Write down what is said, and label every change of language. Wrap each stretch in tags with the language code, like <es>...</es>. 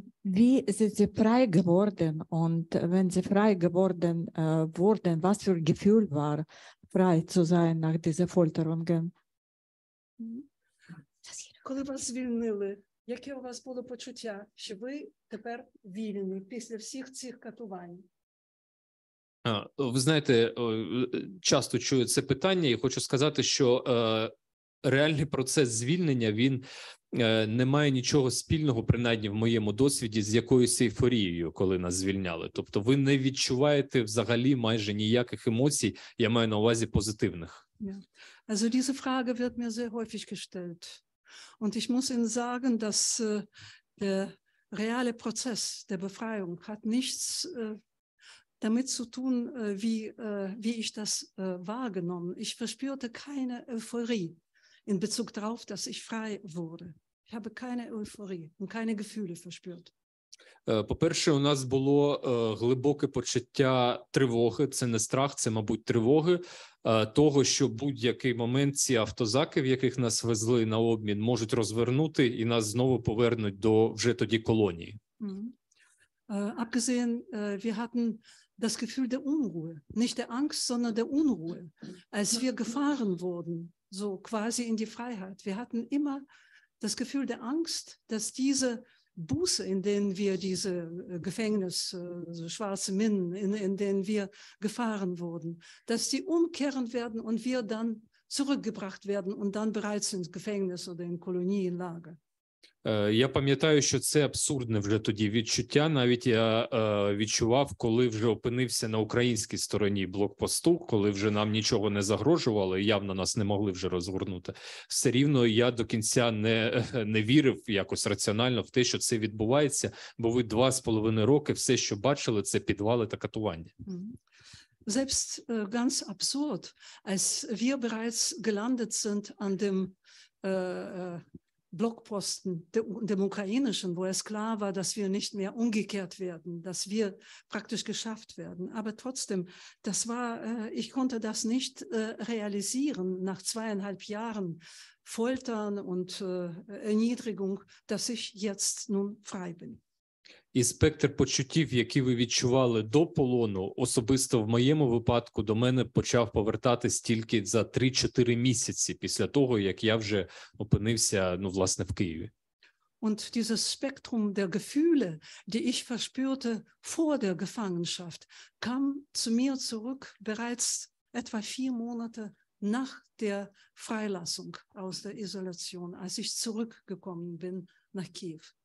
<de>Wie sind Sie frei geworden? Und wenn Sie frei geworden wurden, was für ein Gefühl war, frei zu sein nach diesen Folterungen?</de> <uk>Коли вас звільнили, яке у вас було почуття, що ви тепер вільні після всіх цих катувань? Ви знаєте, часто чую це питання і хочу сказати, що реальний процес звільнення, він не має нічого спільного, принаймні в моєму досвіді, з якоюсь ейфорією, коли нас звільняли. Тобто ви не відчуваєте взагалі майже ніяких емоцій, я маю на увазі позитивних. Yeah.</uk> <de>Also diese Frage wird mir sehr häufig gestellt. Und ich muss Ihnen sagen, dass der reale Prozess der Befreiung hat nichts damit zu tun, wie ich das wahrgenommen. Ich verspürte keine Euphorie in Bezug darauf, dass ich frei wurde. Ich habe keine Euphorie und keine Gefühle verspürt.</de> <uk>По-перше, у нас було глибоке почуття тривоги. Це не страх, це, мабуть, тривоги того, що будь-який момент ці автозаки, в яких нас везли на обмін, можуть розвернути і нас знову повернуть до вже тоді колонії.</uk> <de>Abgesehen, wir hatten das Gefühl der Unruhe, nicht der Angst, sondern der Unruhe, als wir gefahren wurden. So quasi in die Freiheit. Wir hatten immer das Gefühl der Angst, dass diese Buße, in denen wir diese Gefängnis, also schwarze Minen, in denen wir gefahren wurden, dass die umkehren werden und wir dann zurückgebracht werden und dann bereits ins Gefängnis oder in Kolonienlager.</de> <uk>Я пам'ятаю, що це абсурдне вже тоді відчуття. Навіть я відчував, коли вже опинився на українській стороні блокпосту, коли вже нам нічого не загрожувало, явно нас не могли вже розгорнути. Все рівно я до кінця не вірив якось раціонально в те, що це відбувається, бо ви 2,5 роки все, що бачили, це підвали та катування.</uk> <de>Selbst ganz absurd, als wir bereits gelandet sind an dem Blogposten dem ukrainischen, wo es klar war, dass wir nicht mehr umgekehrt werden, dass wir praktisch geschafft werden. Aber trotzdem, das war, ich konnte das nicht realisieren nach 2,5 Jahren Foltern und Erniedrigung, dass ich jetzt nun frei bin.</de> <uk>І спектр почуттів, які ви відчували до полону, особисто в моєму випадку, до мене почав повертатись тільки за 3-4 місяці після того, як я вже опинився, ну, власне, в Києві.</uk> <de>Und dieses Spektrum der Gefühle, die ich verspürte vor der Gefangenschaft, kam zu mir zurück bereits etwa 4 Monate nach der Freilassung aus der Isolation, als ich zurückgekommen bin nach Kiew.</de>